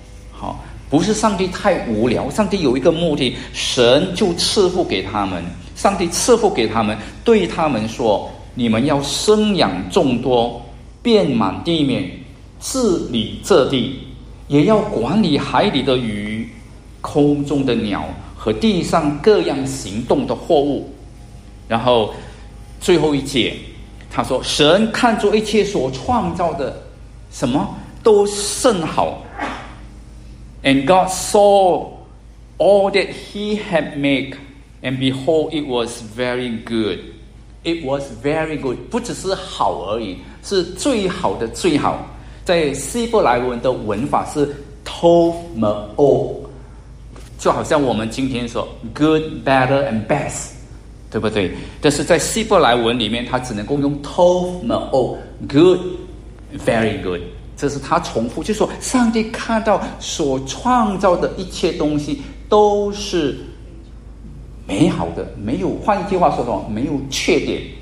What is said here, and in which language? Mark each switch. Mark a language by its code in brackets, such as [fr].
[zh] 好，不是上帝太无聊，上帝有一个目的，神就赐福给他们，上帝赐福给他们，对他们说，你们要生养众多，遍满地面，治理这地，也要管理海里的鱼、空中的鸟和地上各样行动的货物。然后最后一节他说，神看作一切所创造的什么都甚好。 [en] And God saw all that he had made, and behold, it was very good. It was very good, [zh] 不只是好而已，是最好的最好。在希伯来文的文法是 Tov Me'od，就好像我们今天说 [en] good, better and best， [zh] 对不对？但是在希伯来文里面它只能够用 tov me'od， [en] good, very good， [zh] 这是它重复，就是说上帝看到所创造的一切东西都是美好的，没有，换一句话说什么，没有缺点。